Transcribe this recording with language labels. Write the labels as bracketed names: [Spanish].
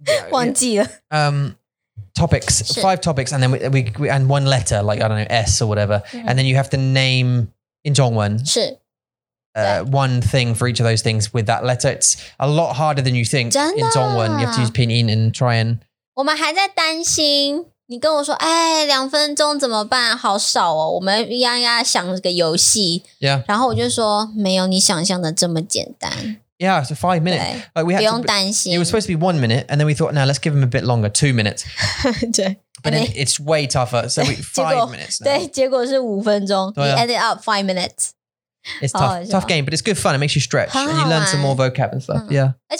[Chinese] 忘记了. [English] Topics, 是. Five topics, and then we, and one letter, like, I don't know, S or whatever. And then you have to name in 中文. [Chinese] 是. [English] One thing for each of those things with that letter. It's a lot harder than you think. [Chinese] 真的? [English] In 中文, you have to use pinyin and try and. [Chinese] 我们还在担心你跟我说, 哎, 2分钟怎么办? 好少哦, 我们要想这个游戏。 [English] Yeah. [Chinese] 然后我就说, 没有, 你想象的这么简单。 [English] Yeah, so 5 minutes. [Chinese] 对, [English] like we had [Chinese] 不用担心。 [English] It was supposed to be 1 minute, and then we thought, now let's give him a bit longer, 2 minutes. [Chinese] 对。 [English] But then it's way tougher, so we, 5 minutes. Now. [Chinese] 对, 结果是5分钟, [English] we ended up 5 minutes. It's tough, oh, tough game, but it's good fun. It makes you stretch and you learn some more vocab and stuff. Yeah.